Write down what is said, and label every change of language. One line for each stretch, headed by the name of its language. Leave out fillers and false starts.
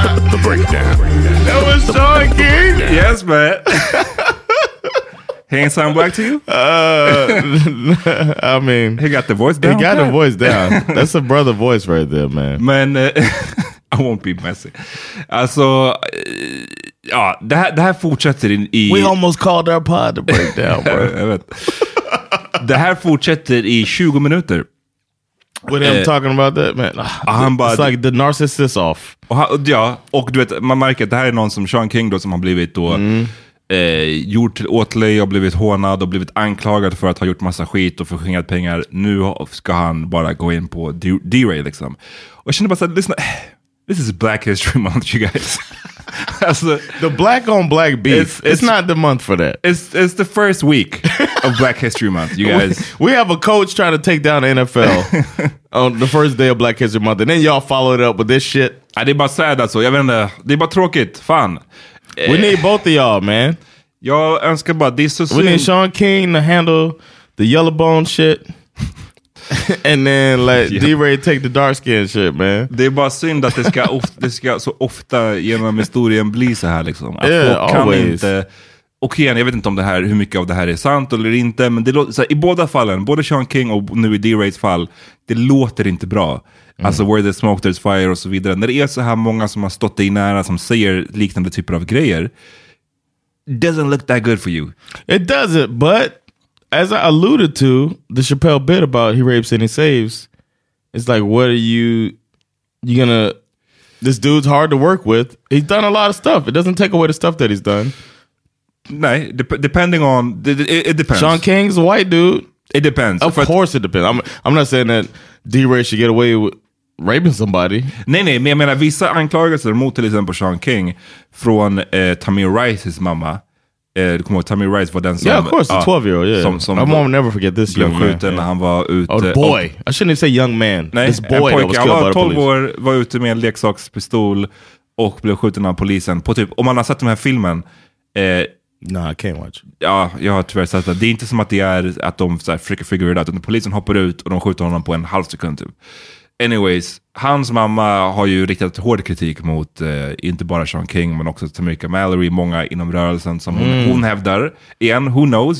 English: The Breakdown. That was Sean King. Yes, man. He ain't sound black to you? I mean, he got the voice down. He got the voice down. That's a brother voice right there, man. Man. I won't be messy.
Swedish: Alltså, ja, det här fortsätter i...
English: We almost called our pod to break down, bro.
Swedish: Jag vet. Det här fortsätter i 20 minuter.
English: What am I talking about that, man? It's like the narcissist off.
Swedish: Och du vet, man märker att det här är någon som Sean King då, som har blivit då gjort till åtlöj och blivit hånad och blivit anklagad för att ha gjort massa skit och förskingrat pengar. Nu ska han bara gå in på D-Ray liksom. Och jag känner bara så här, lyssna...
English: This is Black History Month, you guys. The black on black beef. It's not the month for that. It's the first week of Black History Month, you guys. We have a coach trying to take down the NFL on the first day of Black History Month, and then y'all follow it up with this shit. I did my sad, that's all.
Swedish: Jag vet inte. Det är bara tråkigt. Fan.
English: We need both of y'all, man. Y'all
Swedish: önskar bara,
English: this is... We need Sean King to handle the yellow bone shit. And then like D-Ray take the dark skin shit, man.
Swedish: Det är bara synd att det ska så ofta genom historien bli så här liksom. Att folk
English: always
Swedish: kan inte. Okej, okay, jag vet inte om det här, hur mycket av det här är sant eller inte, men det låter så här, i båda fallen, både Sean King och nu i D-Rays fall, det låter inte bra. Mm. Alltså
English: where there's smoke there's fire
Swedish: och så vidare. När det är så här många som har stått dig nära som säger liknande typer av grejer,
English: doesn't look that good for you. It doesn't, but as I alluded to, the Chappelle bit about he rapes and he saves, it's like, what are you gonna, this dude's hard to work with. He's done a lot of stuff. It doesn't take away the stuff that he's done.
Swedish: Nej,
English: depending on, it depends. Sean King's a white dude. It depends. Of course it depends. I'm not saying that D-Ray should get away with raping somebody.
Swedish: Nej, men jag menar, vissa anklagelser mot till exempel Sean King från Tamir Rice's mamma. Du kommer ihåg, Tamir Rice var den som...
English: Yeah, of course, the 12-year-old, yeah. My mom will never forget this young man.
Swedish: Blev skjuten när han var ute...
English: Oh, boy. I shouldn't even say young man.
Swedish: Nej,
English: this boy that was killed by the police.
Swedish: Han var 12 år, var ute med en leksakspistol och blev skjuten av polisen. På typ, om man har sett den här filmen...
English: Nah, I can't watch.
Swedish: Ja, jag har tyvärr sett det. Det är inte som att det är att de så här, försöker
English: figure it out.
Swedish: Utan polisen hoppar ut och de skjuter honom på en halv sekund typ.
English: Anyways,
Swedish: hans mamma har ju riktat hård kritik mot inte bara Sean King men också Tamika Mallory, många inom rörelsen som hon hävdar. Igen,
English: who knows?